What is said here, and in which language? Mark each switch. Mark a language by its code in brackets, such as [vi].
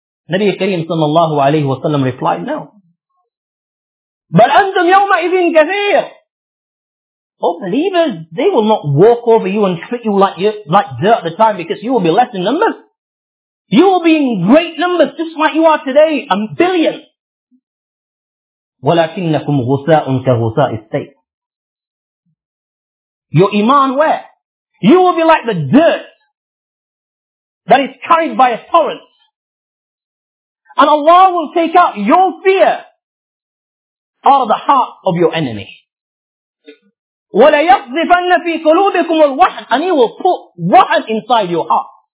[en] Nabi Kareem sallallahu alayhi wa sallam replied, no. But [ar] أَنْتُمْ يَوْمَئِذٍ كَثِيرٌ [en] Oh believers, they will not walk over you and treat you like dirt at the time because you will be less in numbers. You will be in great numbers just like you are today, a billion. [ar] وَلَكِنَّكُمْ غُسَاءٌ كَغُسَاءِ السَّيْءِ [en] Your iman where? You will be like the dirt that is carried by a torrent. And Allah will take out your fear out of the heart of your enemy. [ar] وَلَيَقْذِفَنَّ فِي قُلُوبِكُمُ الْوَحْنِ [en] And He will put wahan inside your heart.